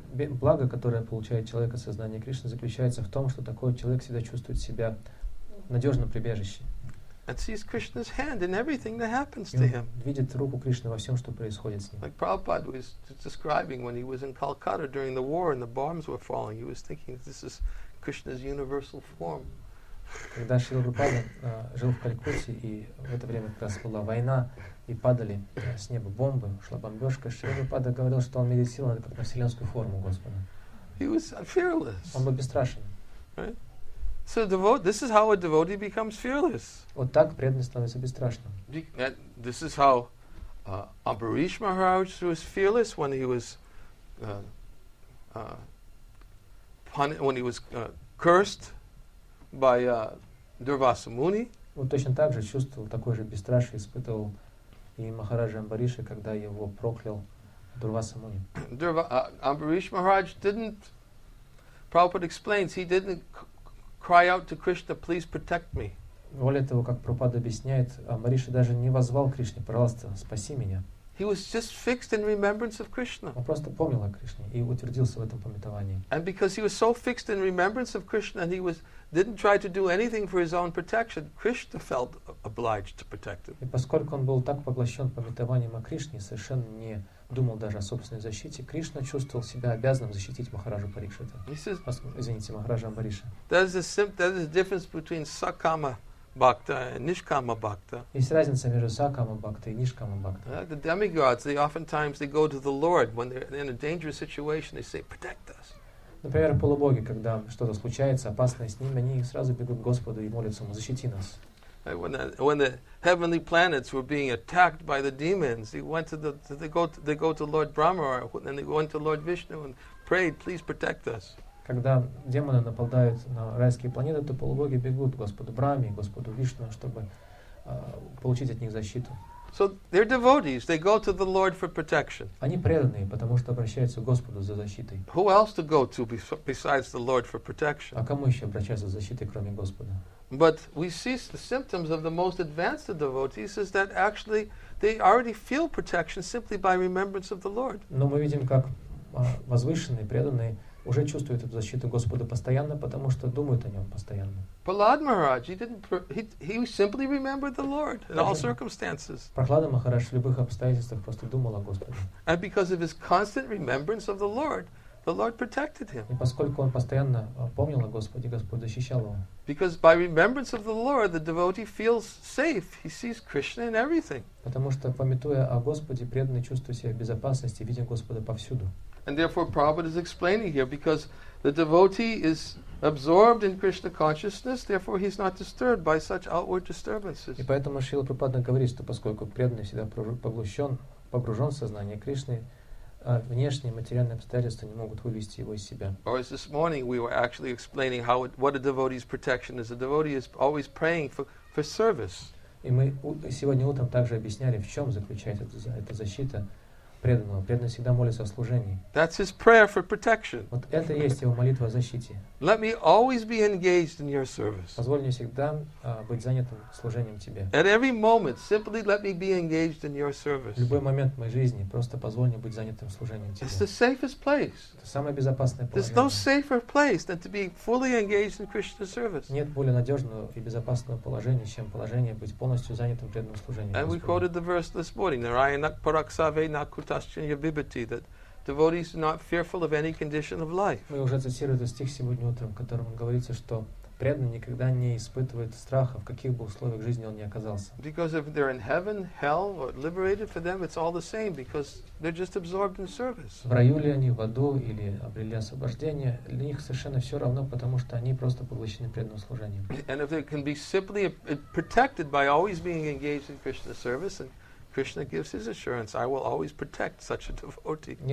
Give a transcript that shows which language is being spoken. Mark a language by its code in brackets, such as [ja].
[ru] Благо, которое получает человек от сознания Кришны, заключается в том, что такой человек всегда чувствует себя в надежном прибежище. [en] And sees Krishna's hand in everything that happens to him. [ru] Видит руку Кришны во всем, что происходит с ним. [en] Like Prabhupada was describing when he was in Calcutta during the war and the bombs were falling, he was thinking this is Krishna's universal form. [ru] Когда Шрила Прабхупада жил в Калькутте, и в это время как раз была война, и падали с неба бомбы, шла бомбежка, Шрила Прабхупада говорил, что он медитировал как на вселенскую форму Господа. [en] He was fearless. [ru] Он был бесстрашен. [en] Right? So this is how a devotee becomes fearless. [ru] Вот так преданный становится бесстрашным. [en] This is how Ambarish Maharaj was fearless when he was cursed by Durvasa Muni. [ru] Он точно так же чувствовал такое же бесстрашие испытывал и Махараджа Амбариша, когда его проклял Дурваса Муни. [en] Амбариш Махарадж didn't, Prabhupada explains, he didn't cry out to Krishna, please protect me. [ru] Более того, как Прабхупада объясняет, Амбариша даже не возвал Кришне, пожалуйста, спаси меня. [en] He was just fixed in remembrance of Krishna. [ru] Он просто помнил о Кришне и утвердился в этом памятовании. [en] And because he was so fixed in remembrance of Krishna and he was didn't try to do anything for his own protection, Krishna felt obliged to protect him. [ru] И поскольку он был так поглощен памятованием о Кришне, совершенно не думал даже о собственной защите, Кришна чувствовал себя обязанным защитить Махараджу Парикшита. Извините, Махараджа Амбариша. [en] There's a difference between Sakama Bhakta and Nishkama Bhakta. [ru] Есть разница между Sakama Bhakta и Nishkama Bhakta. [en] The demigods, they oftentimes go to the Lord when they're in a dangerous situation, they say, protect us. [ru] Например, полубоги, когда что-то случается, опасное с ними, они сразу бегут к Господу и молятся ему, защити нас. [en] When the heavenly planets were being attacked by the demons, they go to Lord Brahma, and they went to Lord Vishnu and prayed, please protect us. [ru] Когда демоны нападают на райские планеты, то полубоги бегут к Господу Брахме, Господу Вишну, чтобы получить от них защиту. [en] So they're devotees. They go to the Lord for protection. [ru] Они преданные, потому что обращаются к Господу за защитой. [en] Who else to go to besides the Lord for protection? [ru] А кому еще обращаться за защитой, кроме Господа? [en] But we see the symptoms of the most advanced devotees is that actually they already feel protection simply by remembrance of the Lord. [ru] Но мы видим, как возвышенные, преданные уже чувствуют эту защиту Господа постоянно, потому что думают о нем постоянно. [en] Prahlad Maharaj, he simply remembered the Lord in all circumstances. [ru] Прохлада Махарадж в любых обстоятельствах просто думал о Господе. [en] And because of his constant remembrance of the Lord protected him. [ru] И поскольку он постоянно помнил о Господе, Господь защищал его. [en] Because by remembrance of the Lord, the devotee feels safe. He sees Krishna in everything. [ru] Потому что памятуя о Господе, преданный чувствует себя в безопасности, видя Господа повсюду. [en] And therefore, Prabhupada is explaining here, because the devotee is absorbed in Krishna consciousness, therefore he's not disturbed by such outward disturbances. [ru] И поэтому Шрила Прабхупада говорит, что поскольку преданный всегда погружен в сознание Кришны, внешние материальные обстоятельства не могут вывести его из себя. [en] Or as this morning we were actually explaining how what a devotee's protection is. A devotee is always praying for service. [ru] И мы сегодня утром также объясняли, в чем заключается эта защита. Преданного. Преданный всегда молится о служении. [en] That's his prayer for protection. [ru] Вот это и есть его молитва о защите. [en] Let me always be engaged in your service. [ru] Позволь мне всегда быть занятым служением тебе. [en] At every moment, simply let me be engaged in your service. [ru] В любой момент моей жизни просто позволь мне быть занятым служением тебе. [en] It's the safest place. [ru] Это самое безопасное положение. [en] There's no safer place than to be fully engaged in Krishna's service. [ru] Нет более надежного и безопасного положения, чем положение быть полностью занятым преданным служением. [en] And we quoted the verse this morning, [sa] Narayanak Paraksave Nakutaschanya Bibhati, [en] that devotees are not fearful of any condition of life. [ru] Мы уже цитировали этот стих сегодня утром, в котором говорится, что преданный никогда не испытывает страха, в каких бы условиях жизни он ни оказался. [en] Because if they're in heaven, hell, or liberated, for them it's all the same, because they're just absorbed in service. [ru] В раю ли они, в аду, или обрели освобождение, для них совершенно все равно, потому что они просто поглощены преданным служением. [en] And if they can be simply protected by always being engaged in Krishna service, and Krishna gives his assurance, I will always protect such a devotee.